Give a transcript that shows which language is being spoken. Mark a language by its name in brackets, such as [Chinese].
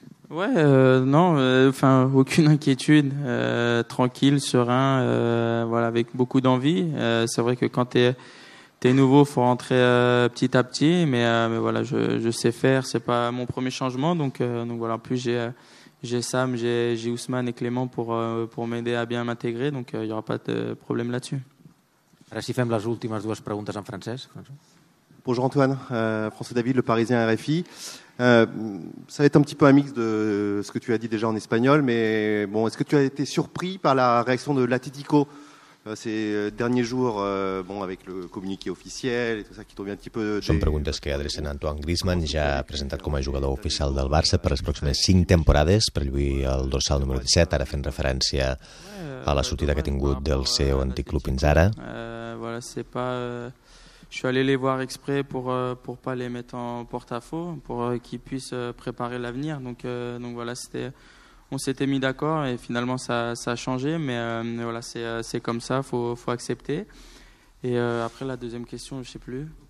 [French] Ouais, enfin, aucune inquiétude, tranquille, serein, voilà, avec beaucoup d'envie. C'est vrai que quand T'es nouveau, faut rentrer petit à petit, mais voilà, je sais faire. C'est pas mon premier changement, donc voilà. En plus, j'ai Sam, j'ai Ousmane et Clément pour m'aider à bien m'intégrer, donc il y aura pas de problème là-dessus. [Catalan] Ara si fem les últimes dues preguntes en francès. [French] Bonjour Antoine, François David, Le Parisien RFI. Ça va être un petit peu un mix de ce que tu as dit déjà en espagnol, mais bon, est-ce que tu as été surpris par la réaction de l'Atlético ces derniers jours, bon, avec le communiqué officiel et tout ça qui tombe un petit peu... [Catalan] Són preguntes que adrecen a Antoine Griezmann, ja presentat com a jugador oficial del Barça per les pròximes 5 temporades, per lluir el dorsal número 17, ara fent referència a la sortida que ha tingut del seu antic club fins ara. [French] Voilà, c'est pas... Je suis allé les voir exprès pour pas les mettre en porte-à-faux, pour qu'ils puissent préparer l'avenir. Donc voilà, on s'était mis d'accord et finalement ça a changé. Mais voilà, c'est comme ça, faut accepter. Et après la deuxième question, je sais plus.